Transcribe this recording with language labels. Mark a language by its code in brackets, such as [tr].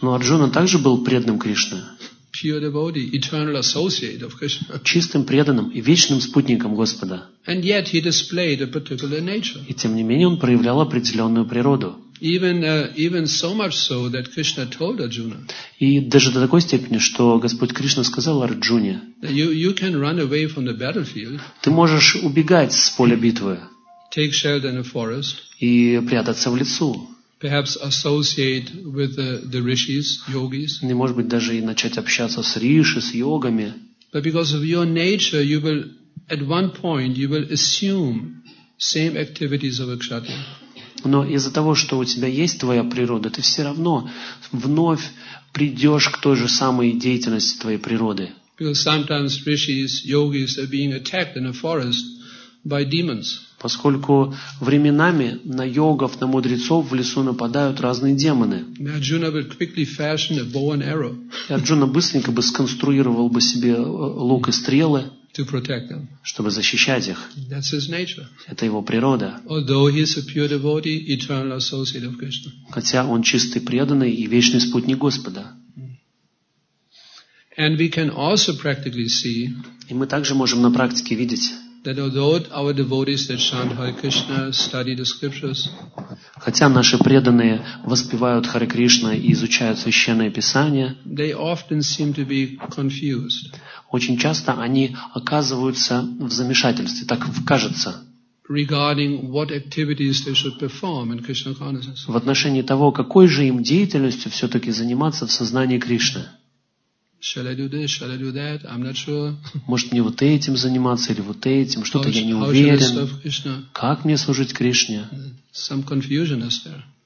[ru] Но Арджуна также был преданным Кришне. [en] Pure devotee, eternal associate of Krishna. [ru] Чистым преданным и вечным спутником Господа. [en] And yet he displayed a particular nature. [ru] И тем не менее он проявлял определенную природу. [en] Even so much so that Krishna told Arjuna. [ru] И даже до такой степени, что Господь Кришна сказал Арджуне. [en] You can run away from the battlefield. [ru] Ты можешь убегать с поля битвы. [en] Take shelter in a forest. [ru] И прятаться в лесу. [en] Perhaps associate with the rishis, yogis. [ru] Не может быть даже и начать общаться с риши, с йогами. [en] But because of your nature, you will at one point you will assume same activities of a kshatriya. [ru] Но из-за того, что у тебя есть твоя природа, ты все равно вновь придешь к той же самой деятельности твоей природы. [en] Because sometimes rishis, yogis are being attacked in a forest. By demons. [ru] Поскольку временами на йогов, на мудрецов в лесу нападают разные демоны. [en] Arjuna would quickly fashion a bow and arrow. [ru] И Арджуна быстренько бы сконструировал бы себе лук и стрелы, [en] to protect them. [ru] Чтобы защищать их. [en] That's his nature. [ru] Это его природа. [en] Although he is a pure devotee, eternal associate of Krishna. [ru] Хотя он чистый преданный и вечный спутник Господа. [en] And we can also practically see. [ru] И мы также можем на практике видеть. [en] That although our devotees that chant Hare Krishna study the scriptures, [ru] хотя наши преданные воспевают Харе Кришна и изучают священное писание, [en] they often seem to be confused. [ru] Очень часто они оказываются в замешательстве, так кажется. [en] Regarding what activities they should perform in Krishna consciousness. [ru] В отношении того, какой же им деятельностью все-таки заниматься в сознании Кришны. [en] Shall I do this? Shall I do that? I'm not sure. [ru] Может мне вот этим заниматься или вот этим? Что-то я не уверен. Как мне служить Кришне? [en] Some confusion is there.